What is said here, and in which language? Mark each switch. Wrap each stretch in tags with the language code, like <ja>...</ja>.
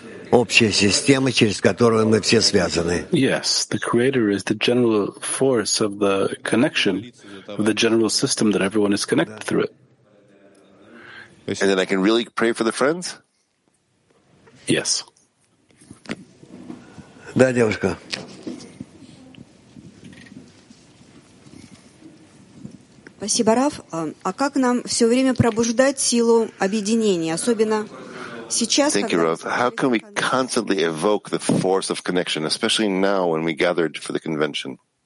<ru>Общая система, через которую мы все связаны.</ru> <en>Yes, the Creator is the general force of the connection, of the general system that everyone is connected through it. And then I can really pray for the friends? Yes.</en> <ru>Да, девушка. Спасибо, Раф. А как нам все время пробуждать силу объединения, особенно сейчас?</ru> <en>Thank you, Rav. How can we constantly evoke the force of connection, especially now when we gathered for the convention?</en>